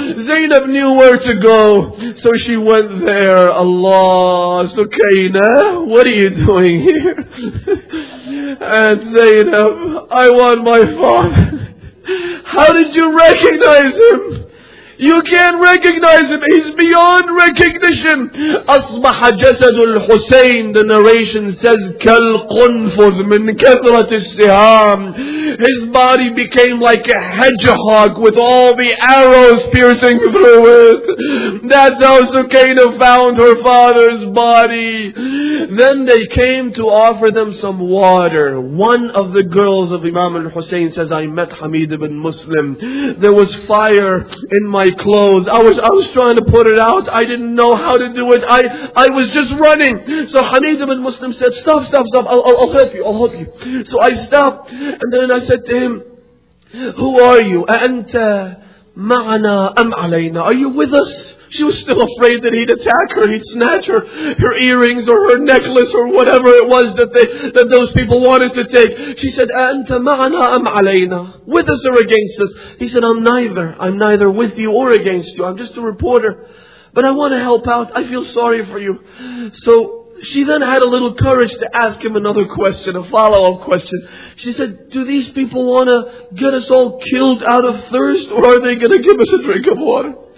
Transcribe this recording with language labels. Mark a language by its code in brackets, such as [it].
[en] Zainab knew where to go, so she went there. Allah, Sukaina, what are you doing here? And Zainab, I want my father. How did you recognize him? You can't recognize him. He's beyond recognition. [ar] أصبح جسد الحسين, [en] the narration says, [ar] كالقنفذ من كثرة السهام. [en] His body became like a hedgehog with all the arrows piercing through it. That's how Sukaina found her father's body. Then they came to offer them some water. One of the girls of Imam al-Hussein says, I met Hamid ibn Muslim. There was fire in my clothes. I was trying to put it out. I didn't know how to do it. I was just running. So Hamid ibn Muslim said, stop. I'll help you. So I stopped. And then I said to him, who are you? [ar] أَأَنْتَ مَعَنَا أَمْ عَلَيْنَا? [en] Are you with us? She was still afraid that he'd attack her. He'd snatch her earrings or her necklace or whatever it was that those people wanted to take. She said, [ar] أَأَنْتَ مَعَنَا أَمْ عَلَيْنَا? [en] With us or against us? He said, I'm neither. I'm neither with you or against you. I'm just a reporter. But I want to help out. I feel sorry for you. So she then had a little courage to ask him another question, a follow-up question. She said, do these people want to get us all killed out of thirst, or are they going to give us a drink of water?